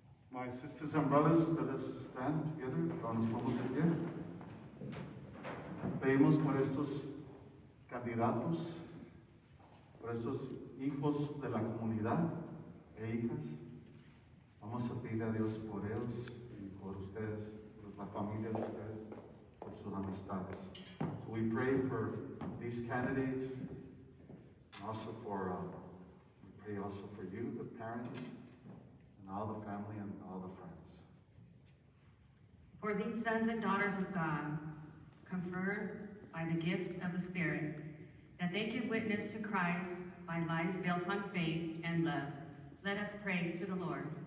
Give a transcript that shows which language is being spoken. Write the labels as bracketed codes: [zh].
[en] My sisters and brothers, let us stand together. [es] Vamos todos de pie. Pedimos por estos candidatos, por estos hijos de la comunidad e hijas. Vamos a pedir a Dios por ellos y por ustedes, por la familia de ustedes, por sus amistades. [en] So we pray for these candidates, also for we pray also for you, the parents, and all the family and all the friends. For these sons and daughters of God, conferred by the gift of the Spirit, that they can witness to Christ by lives built on faith and love, let us pray to the Lord.